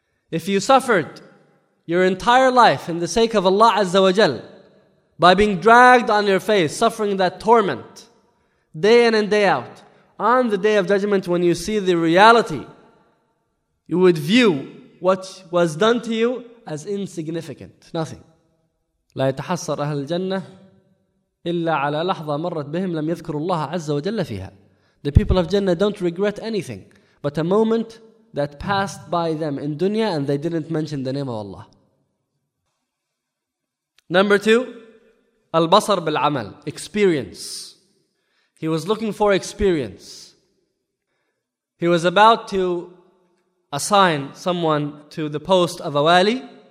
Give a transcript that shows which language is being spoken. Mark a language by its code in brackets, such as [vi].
[en] If you suffered your entire life in the sake of Allah Azza wa Jal by being dragged on your face, suffering that torment day in and day out, on the Day of Judgment when you see the reality, you would view what was done to you as insignificant, nothing. [ar] لا يتحسر أهل الجنة إِلَّا عَلَى لَحْظَ مَرَّتْ بِهِمْ لَمْ يَذْكُرُ اللَّهَ عَزَّ وَجَلَّ فِيهَا. [en] The people of Jannah don't regret anything but a moment that passed by them in dunya and they didn't mention the name of Allah. Number two, al-basar bil-amal, experience. He was looking for experience. He was about to assign someone to the post of a wali.